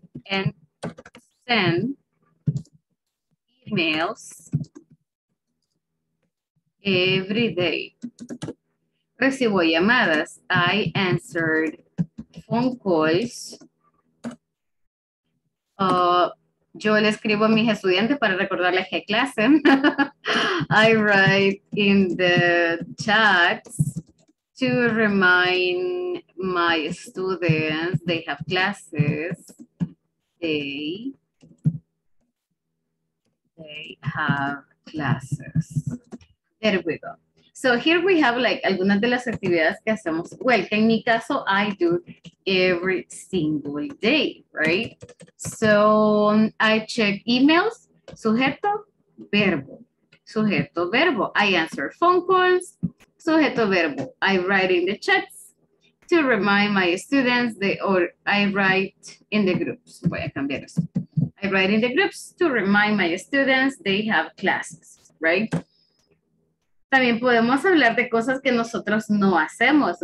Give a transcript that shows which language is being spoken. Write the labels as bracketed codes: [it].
[en] and send emails every day. [es] Recibo llamadas. [en] I answered phone calls. [es] Yo le escribo a mis estudiantes para recordarles que clase. [en] I write in the chats to remind my students they have classes. They have classes. There we go. So here we have like [es] algunas de las actividades que hacemos. [en] Well, [es] en mi caso, [en] I do every single day, right? So I check emails, [es] sujeto, verbo. Sujeto, verbo. [en] I answer phone calls, sujeto, verbo. I write in the chats. To remind my students, I write in the groups to remind my students they have classes, right? [es] También podemos hablar de cosas que nosotros no hacemos.